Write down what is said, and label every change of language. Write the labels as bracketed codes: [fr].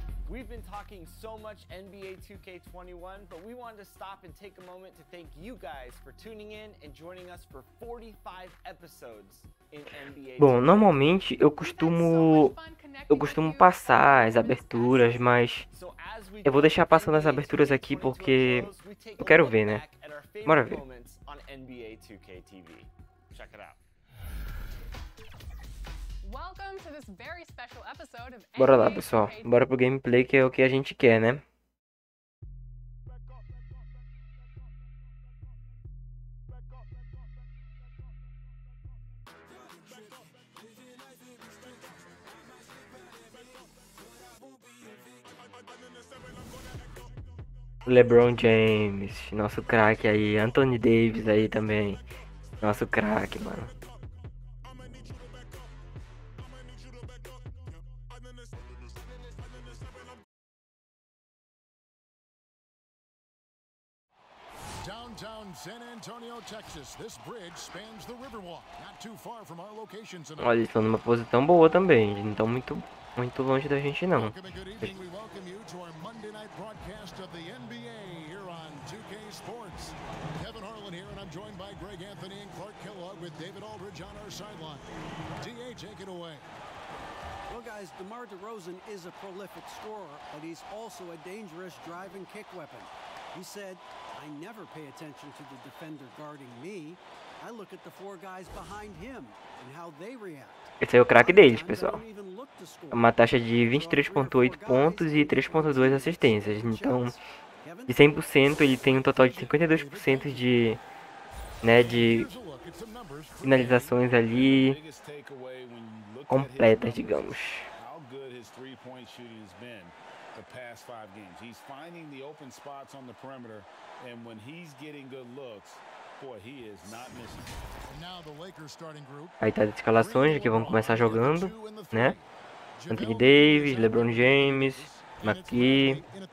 [en] We've been talking so much NBA 2K21, but we wanted to stop and take a moment to thank you guys for tuning in and joining us for 45 episodes in NBA 2K. [pt] Bom, normalmente eu costumo passar as aberturas, mas eu vou deixar passando as aberturas aqui porque eu quero ver, né? Bora ver. [en] NBA 2K TV. Check it out. Welcome to this very special episode of [pt] Bora lá, pessoal. Bora pro gameplay que é o que a gente quer, né? LeBron James, nosso craque aí, Anthony Davis aí também, nosso craque, mano. [en] Downtown San Antonio, Texas. This bridge spans the Riverwalk, not too far from our locations. [pt] Olha, eles estão numa posição boa também, eles não estão muito, muito longe da gente não. [en] Kevin Harlan here, and I'm joined by Greg Anthony and Clark Kellogg with David Aldridge on our sideline. DA, take it away. Well, guys, DeMar DeRozan is a prolific scorer, but he's also a dangerous drive and kick weapon. He said, I never pay attention to the defender guarding me. I look at the four guys behind him and how they react. [pt] Esse é o craque deles, pessoal. Uma taxa de 23,8 pontos e 3,2 assistências. Então, de 100%, ele tem um total de 52% de, né, de finalizações ali completas, digamos. [en] The past five games, he's finding the open spots on the perimeter, and when he's getting good looks, boy, he is not missing. Now the Lakers starting group. [pt] Aí tá as escalações que vão começar jogando, né? Anthony Davis, LeBron James, McKee.